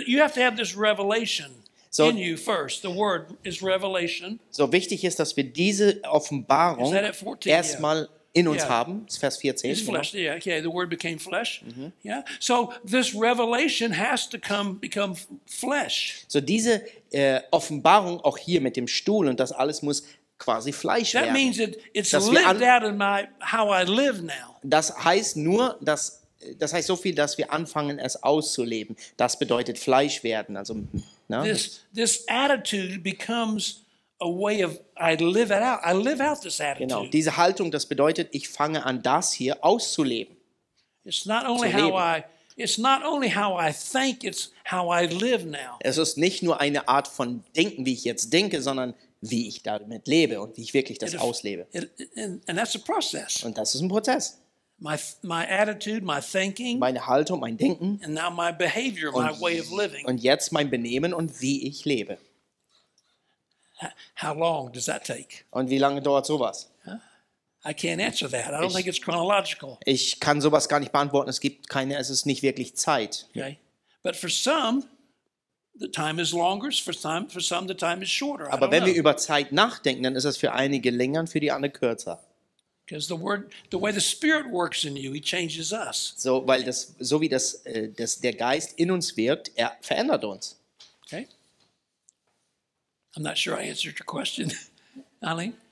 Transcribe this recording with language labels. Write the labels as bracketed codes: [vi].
[en] You have to have this revelation so, in you first. The Word is revelation. [de] So wichtig ist, dass wir diese Offenbarung erstmal in uns haben. Das ist Vers 14. [en] It's flesh. Genau. Yeah. Okay. The Word became flesh. Mm-hmm. Yeah. So this revelation has to become flesh. [de] So diese Offenbarung auch hier mit dem Stuhl und das alles muss quasi Fleisch [en] that [de] werden. [en] That means it's lived out in my how I live now. [de] Das heißt nur, dass das heißt so viel, dass wir anfangen, es auszuleben. Das bedeutet Fleisch werden. Also ne? [en] This attitude becomes a way of I live it out. I live out this attitude. [de] Genau. Diese Haltung, das bedeutet, ich fange an, das hier auszuleben. [en] It's not only how I. It's not only how I think. It's how I live now. [de] Es ist nicht nur eine Art von Denken, wie ich jetzt denke, sondern wie ich damit lebe und wie ich wirklich das auslebe. [en] And that's a process. [de] Und das ist ein Prozess. [en] My attitude, my thinking. [de] Meine Haltung, mein Denken. [en] And now my behavior, my way of living. [de] Und jetzt mein Benehmen und wie ich lebe. [en] How long does that take? [de] Und wie lange dauert sowas? [en] I can't answer that. I don't think it's chronological. [de] Ich kann sowas gar nicht beantworten. Es gibt keine, es ist nicht wirklich Zeit. [en] Okay. But for some the time is longer, for some the time is shorter. [de] Aber wenn [en] know. [de] Wir über Zeit nachdenken, dann ist es für einige länger und für die andere kürzer. [en] Because the way the Spirit works in you, he changes us. [de] So weil das so wie das das der Geist in uns wirkt, verändert uns. [en] Okay. I'm not sure I answered your question, Eileen.